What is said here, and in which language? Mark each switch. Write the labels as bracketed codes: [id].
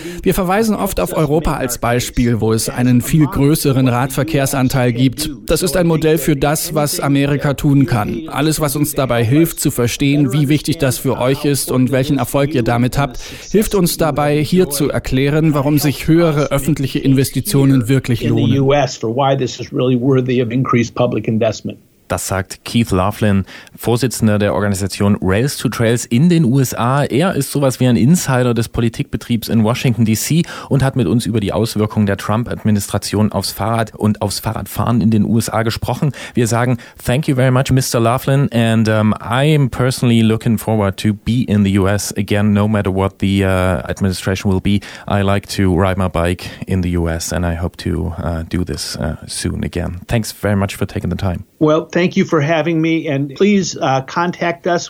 [de] Wir verweisen oft auf Europa als Beispiel, wo es einen viel größeren Radverkehrsanteil gibt. Das ist ein Modell für das, was Amerika tun kann. Alles, was uns dabei hilft, zu verstehen, wie wichtig das für euch ist und welchen Erfolg ihr damit habt, hilft uns dabei, hier zu erklären, warum sich höhere öffentliche Investitionen wirklich lohnen. [en] For why this is really worthy of increased public investment. [de] Das sagt Keith Laughlin, Vorsitzender der Organisation Rails to Trails in den USA. Er ist sowas wie ein Insider des Politikbetriebs in Washington DC und hat mit uns über die Auswirkungen der Trump-Administration aufs Fahrrad und aufs Fahrradfahren in den USA gesprochen. Wir sagen [en] thank you very much, Mr. Laughlin, and I'm personally looking forward to be in the US again, no matter what the administration will be. I like to ride my bike in the US and I hope to do this soon again. Thanks very much for taking the time. Well, thank you for having me, and please contact us.